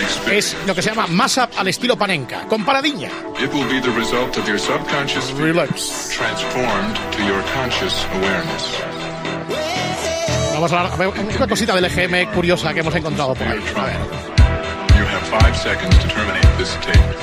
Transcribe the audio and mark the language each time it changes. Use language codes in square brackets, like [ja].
[es] Es lo que se llama mashup al estilo panenka, con paradiña. [en] It will be the result of your subconscious relax transformed to your conscious awareness. [es] Vamos a ver una cosita del EGM curiosa que hemos encontrado por ahí. A ver. [en] You have 5 seconds to terminate this tape.